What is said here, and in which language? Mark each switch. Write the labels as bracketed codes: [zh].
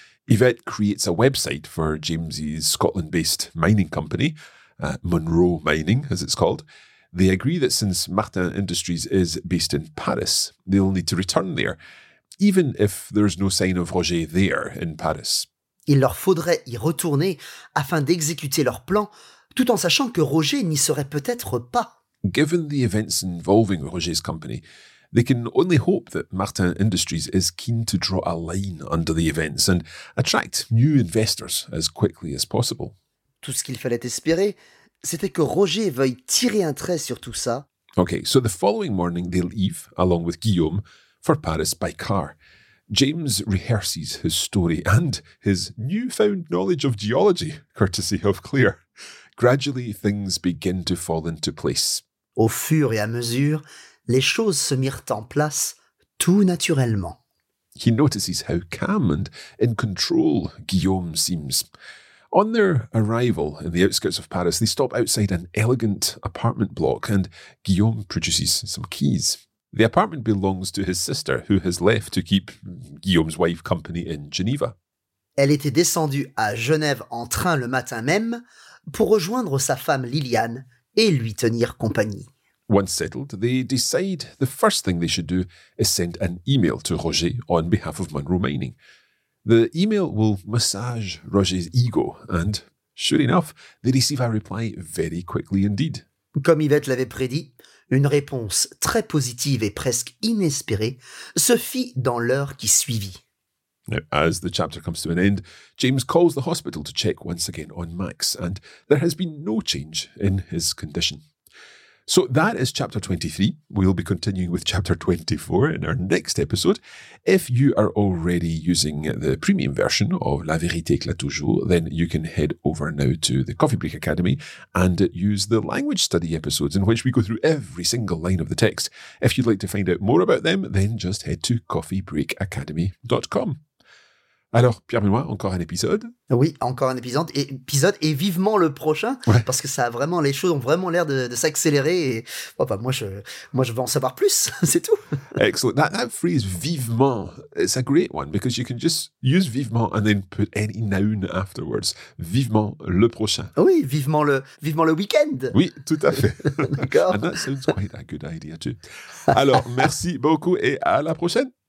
[en] Yvette creates a website for James's Scotland-based mining company, Monroe Mining, as it's called. They agree that since Martin Industries is based in Paris, they'll need to return there, even if there's no sign of Roger there in Paris. [fr] Il leur faudrait y retourner afin d'exécuter leur plan, tout en sachant que Roger n'y serait peut-être pas. [en] Given the events involving Roger's company, they can only hope that Martin Industries is keen to draw a line under the events and attract new investors as quickly as possible. [fr] Tout ce qu'il fallait espérer, c'était que Roger veuille tirer un trait sur tout ça. [en] Okay, so the following morning they leave, along with Guillaume, for Paris by car. James rehearses his story and his newfound knowledge of geology, courtesy of Claire. Gradually, things begin to fall into place. [fr] Au fur et à mesure, les choses se mirent en place tout naturellement. [en] He notices how calm and in control Guillaume seems. On their arrival in the outskirts of Paris, they stop outside an elegant apartment block and Guillaume produces some keys. The apartment belongs to his sister, who has left to keep Guillaume's wife company in Geneva. [fr] Elle était descendue à Genève en train le matin même pour rejoindre sa femme Liliane et lui tenir compagnie. [en] Once settled, they decide the first thing they should do is send an email to Roger on behalf of Monroe Mining. The email will massage Roger's ego, and sure enough, they receive a reply very quickly indeed. [fr] Comme Yvette l'avait prédit, une réponse très positive et presque inespérée se fit dans l'heure qui suivit. [en] Now, as the chapter comes to an end, James calls the hospital to check once again on Max, and there has been no change in his condition. So that is chapter 23. We'll be continuing with chapter 24 in our next episode. If you are already using the premium version of La Vérité Éclate Toujours, then you can head over now to the Coffee Break Academy and use the language study episodes in which we go through every single line of the text. If you'd like to find out more about them, then just head to coffeebreakacademy.com. [fr] Alors, Pierre-Benoît, encore un épisode? Oui, encore un épisode et vivement le prochain, ouais. Parce que ça a vraiment, les choses ont vraiment l'air de s'accélérer et moi je veux en savoir plus, c'est tout. Excellent. [en] That phrase, vivement, it's a great one because you can just use vivement and then put any noun afterwards. [fr] Vivement le prochain. Oui, vivement le week-end. Oui, tout à fait. D'accord. [en] And that sounds quite a good idea too. [fr] Alors, merci beaucoup et à la prochaine.